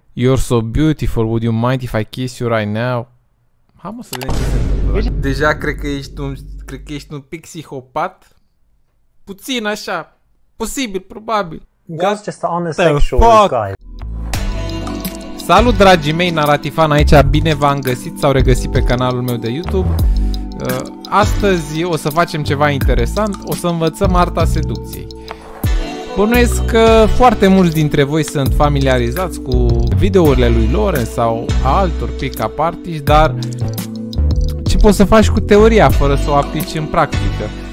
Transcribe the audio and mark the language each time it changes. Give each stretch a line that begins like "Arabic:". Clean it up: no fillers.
English: You're so beautiful, would you mind if I kiss you right now?
Romanian: Hai mă să vedem ce se întâmplă. Deja cred că ești un pic psihopat. Puțin așa. Posibil, probabil.
English: Just the honest sexual guy.
Romanian: Salut dragii mei, Naratifan aici, bine v-am găsit sau regăsit pe canalul meu de YouTube. Astăzi o să facem ceva interesant, o să învățăm arta seducției. Bănuiesc că foarte mulți dintre voi sunt familiarizați cu videourile lui Loren sau altor pick-up artiști, dar ce poți să faci cu teoria fără să o aplici în practică?